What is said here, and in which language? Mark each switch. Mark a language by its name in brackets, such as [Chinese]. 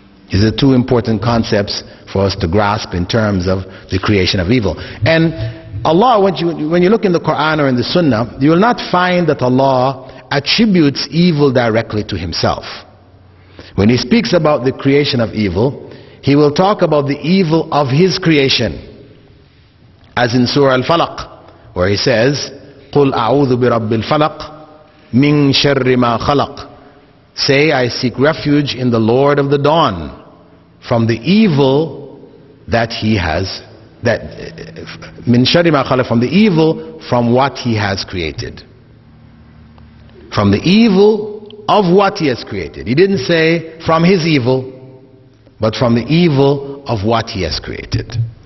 [English] These are two important concepts for us to grasp in terms of the creation of evil. And Allah, when you look in the Quran or in the Sunnah, you will not find that Allah attributes evil directly to Himself. When He speaks about the creation of evil, He will talk about the evil of His creation. As in Surah Al-Falaq, where He says, [Arabic] قُلْ أَعُوذُ بِرَبِّ الْفَلَقِ مِنْ شَرِّ مَا خَلَقِ. [English] Say, I seek refuge in the Lord of the Dawn from the evil that He has, that [Arabic] مِنْ شَرِّ مَا خَلَقِ, [English] from the evil from what He has created. From the evil of what He has created. He didn't say from His evil, but from the evil of what He has created.